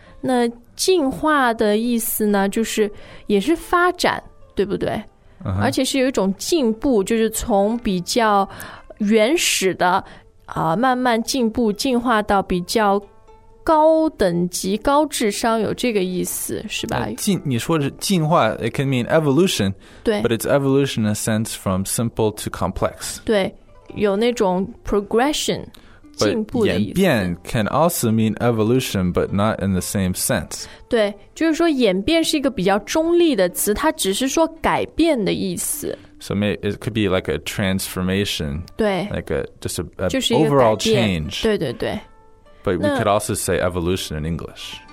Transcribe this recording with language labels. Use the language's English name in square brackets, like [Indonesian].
[Chinese] 那进化的意思呢就是也是发展对不对、 uh-huh. 而且是有一种进步就是从比较原始的、慢慢进步进化到比较高等级高智商有这个意思是吧、你说的进化 [English] it can mean evolution [Chinese] 对 [English] but it's evolution in a sense from simple to complex [Chinese] 对有那种 progression [English] But 演变 can also mean evolution, but not in the same sense. [Chinese] 对，就是说演变是一个比较中立的词，它只是说改变的意思。 [English] So maybe it could be like a transformation. [Chinese] 对。 [English] Like a, just a, a [Chinese] 就是一个 [English] overall change. [Chinese] 对对对。 [English] But we could also say evolution in English.